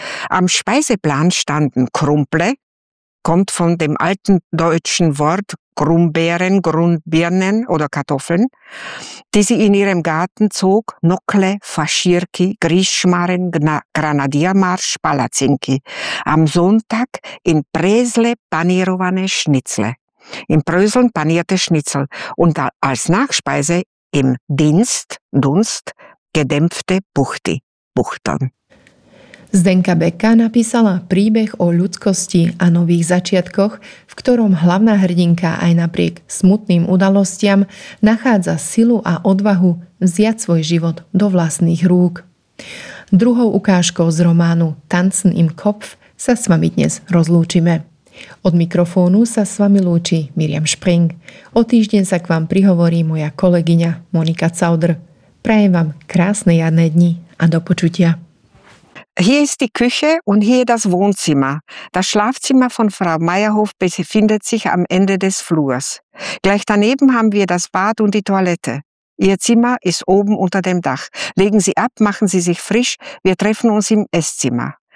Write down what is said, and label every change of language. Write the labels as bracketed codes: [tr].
[de] Am Speiseplan standen Krumple, kommt von dem alten deutschen Wort Grumbeeren, Grundbirnen oder Kartoffeln, die sie in ihrem Garten zog, Nockle, Faschirki, Grischmarren, Granadiermarsch, Palazzinki. Am Sonntag in Bresle panirovane Schnitzle. In Bröseln panierte Schnitzel und als Nachspeise im Dunst gedämpfte Buchtern. [sk] Zdenka Beka napísala príbeh o ľudskosti a nových začiatkoch, v ktorom hlavná hrdinka aj napriek smutným udalostiam nachádza silu a odvahu vziať svoj život do vlastných rúk. Druhou ukážkou z románu Tanzen im Kopf sa s vami dnes rozlúčime. Od mikrofónu sa s vami lúči Miriam Spring. O týždeň sa k vám prihovorí moja kolegyňa Monika Caudr. Prajem vám krásne jarné dni a do počutia. [de] Hier ist die Küche und hier das Wohnzimmer. Das Schlafzimmer von Frau Meierhof befindet sich am Ende des Flurs. Gleich daneben haben wir das Bad und die Toilette. Ihr Zimmer ist oben unter dem Dach. Legen Sie ab, machen Sie sich frisch. Wir treffen uns im Esszimmer.